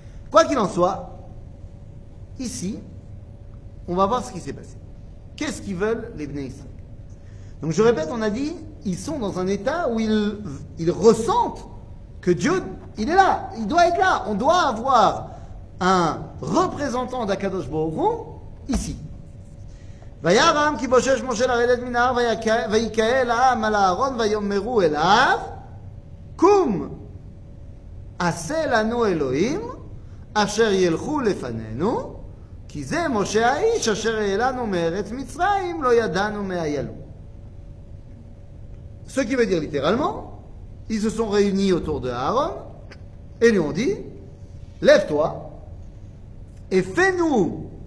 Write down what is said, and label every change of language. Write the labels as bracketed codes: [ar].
[fr] Quoi qu'il en soit, ici, on va voir ce qui s'est passé. Qu'est-ce qu'ils veulent les Bnei Israël? Donc je répète, on a dit, ils sont dans un état où ils ressentent que Dieu, il est là, il doit être là. On doit avoir un représentant d'Akadosh Baruch Hu ici. [he] ויאר העם כי בושש משה לרדת מן ההר ויקהל העם על הארון ויאמרו אליו קום עשה לנו אלוהים אשר ילכו לפנינו כי זה משה האיש אשר העלנו מארץ מצרים לא ידענו מאיילו. [fr] Ce qui veut dire littéralement, ils se sont réunis autour de Aaron et lui ont dit, lève-toi et fais-nous.